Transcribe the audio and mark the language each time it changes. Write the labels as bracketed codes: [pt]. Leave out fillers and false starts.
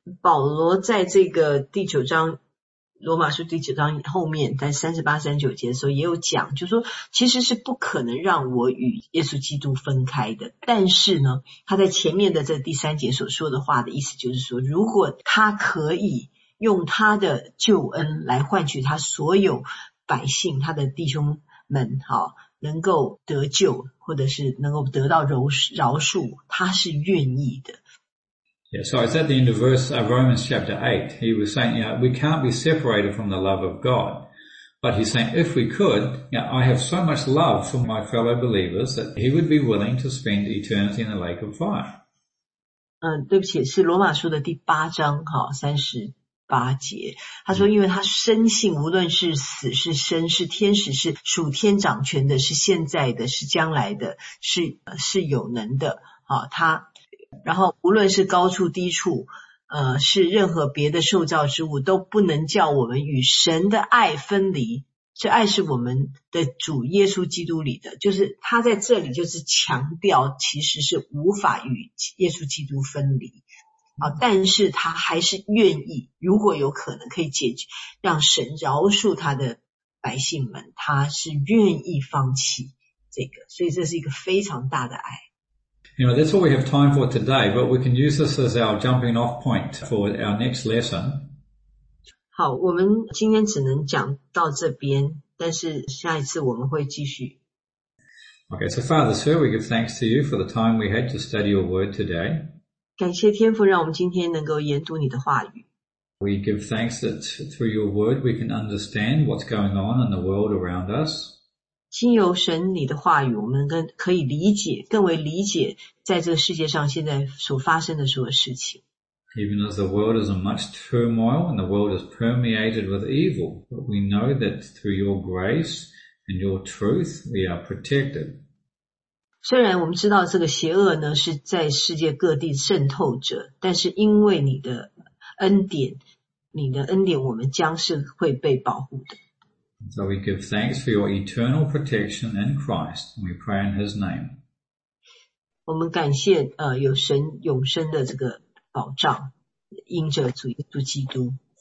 [zh] 保罗在这个第九章罗马书第九章后面在38-39节的时候也有讲，就是说其实是不可能让我与耶稣基督分开的，但是呢他在前面的这第三节所说的话的意思就是说，如果他可以用他的救恩来换取他所有百姓他的弟兄们好能够得救或者是能够得到饶恕，他是愿意的。 [en] Yeah, so it's at the end of verse of Romans chapter 8. He was saying, you know, we can't be separated from the love of God. But he's saying, if we could, you know, I have so much love for my fellow believers that he would be willing to spend eternity in the lake of fire. [zh] 对不起，是罗马书的第八章，38节。他说，因为他深信，无论是死是生，是天使是属天掌权的，是现在的，是将来的，是有能的，他然后无论是高处低处是任何别的受造之物都不能叫我们与神的爱分离，这爱是我们的主耶稣基督里的，就是他在这里就是强调其实是无法与耶稣基督分离啊，但是他还是愿意如果有可能可以解决让神饶恕他的百姓们，他是愿意放弃这个，所以这是一个非常大的爱。 [en] You know, that's all we have time for today, but we can use this as our jumping off point for our next lesson. [zh] 好，我们今天只能讲到这边，但是下一次我们会继续。 [en] Okay, so Father, sir, we give thanks to you for the time we had to study your word today. [zh] 感谢天父让我们今天能够研读你的话语。 [en] We give thanks that through your word we can understand what's going on in the world around us. [zh] 经由神你的话语，我们可以理解，更为理解在这个世界上现在所发生的所有事情。 [en] Even as the world is in much turmoil and the world is permeated with evil, but we know that through your grace and your truth, we are protected. [zh] 虽然我们知道这个邪恶呢是在世界各地渗透着，但是因为你的恩典，我们将是会被保护的。 [en] So we give thanks for your eternal protection in Christ, and we pray in His name. [zh] 我们感谢有神永生的这个保障，因着主耶稣基督。